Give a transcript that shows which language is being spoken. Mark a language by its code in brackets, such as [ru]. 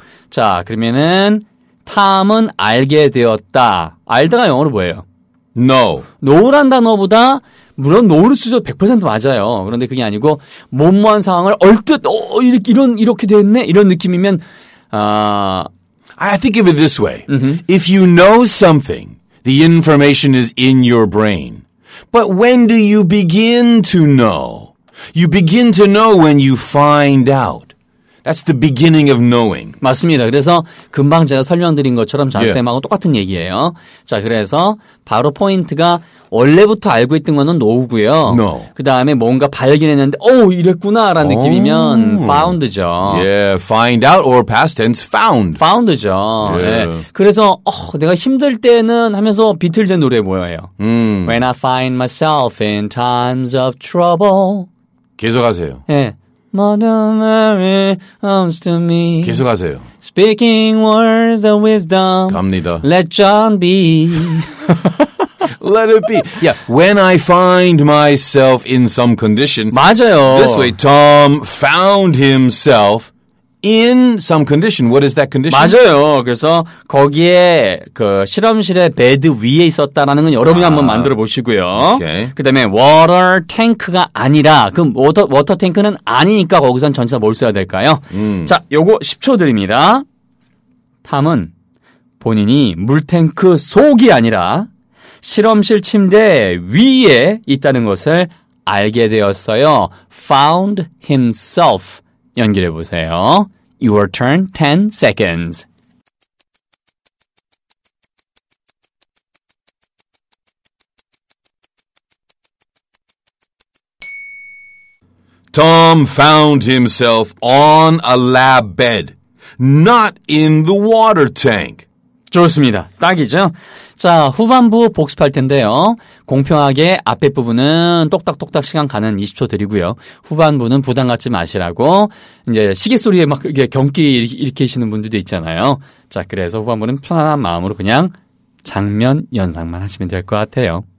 [ko] 자, 그러면은 탐은 알게 되었다. 알다가 영어로 뭐예요? [en] Know. [ko] Know란 단어보다 물론 know를 쓰죠. 100% 맞아요. 그런데 그게 아니고 뭐뭐한 상황을 얼뜻 이렇게 됐네 이런 느낌이면 [en] I think of it this way. Mm-hmm. If you know something, the information is in your brain. But when do you begin to know? You begin to know when you find out. That's the beginning of knowing. [ko] 맞습니다. 그래서 금방 제가 설명드린 것처럼 장쌤하고 yeah. 똑같은 얘기예요. 자, 그래서 바로 포인트가 원래부터 알고 있던 거는 know고요. [en] No. [ko] 그다음에 뭔가 발견했는데 오, 이랬구나라는 느낌이면 found죠. [en] Yeah, find out or past tense found. [ko] Found죠. Yeah. 네. 그래서 내가 힘들 때는 하면서 비틀즈 노래 뭐예요? [en] When I find myself in times of trouble. [ko] 계속하세요. [en] 예. 네. Mother Mary comes to me. [ko] 계속하세요. [en] Speaking words of wisdom. [ko] 갑니다. [en] Let John be. Let it be. Yeah. When I find myself in some condition. [ko] 맞아요. [en] This way, Tom found himself in some condition. What is that condition? [ko] 맞아요. 그래서 거기에 그 실험실의 베드 위에 있었다라는 건 여러분이 한번 만들어 보시고요. [en] Okay. [ko] 그다음에 water tank가 아니라 그 water tank는 아니니까 거기선 전체 뭘 써야 될까요? 자, 요거 10초 드립니다. 탐은 본인이 물탱크 속이 아니라 실험실 침대 위에 있다는 것을 알게 되었어요. [en] Found himself. [ko] 연결해 보세요. [en] Your turn, 10 seconds. Tom found himself on a lab bed, not in the water tank. [ko] 좋습니다. 딱이죠? 자, 후반부 복습할 텐데요. 공평하게 앞에 부분은 똑딱똑딱 시간 가는 20초 드리고요. 후반부는 부담 갖지 마시라고 이제 시계소리에 막 이렇게 경기 일으키시는 분들도 있잖아요. 자, 그래서 후반부는 편안한 마음으로 그냥 장면 연상만 하시면 될 것 같아요.